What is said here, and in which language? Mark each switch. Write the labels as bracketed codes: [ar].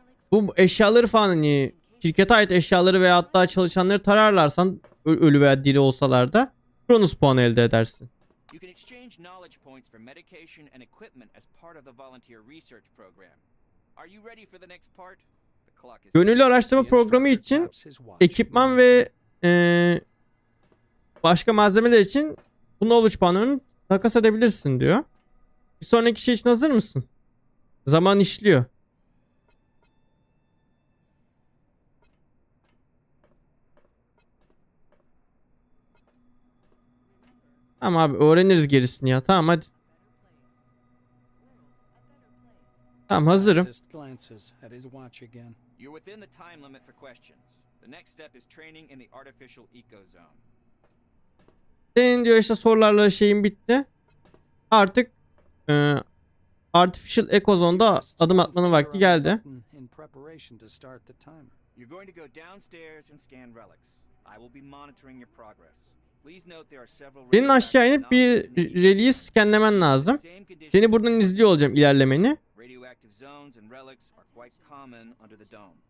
[tr] Bu eşyaları falan hani şirkete ait eşyaları veya hatta çalışanları tararlarsan ölü veya diri olsalar da Kronos puanı elde edersin. [en] You can exchange knowledge points for medication and equipment as part of the volunteer research program. Are you ready for the next part? [tr] Gönüllü araştırma programı için ekipman ve başka malzemeler için bu knowledge puanını takas edebilirsin diyor. Bir sonraki şey için hazır mısın? Zaman işliyor. Tamam abi öğreniriz gerisini ya. Tamam hadi. Tamam hazırım. [en] You're within the time limit for questions. The next step is training in the artificial eco zone. [tr] Senin diyor işte sorularla şeyin bitti. Artık artificial eco zone'da adım atmanın vakti geldi. [en] You're going to go downstairs and scan relics. I will be monitoring your progress. Please note there are several. [tr] Senin aşağı inip bir reliği scanlemen lazım. Seni buradan izliyor olacağım ilerlemeni. [en] Radioactive zones and relics are quite common under the dome.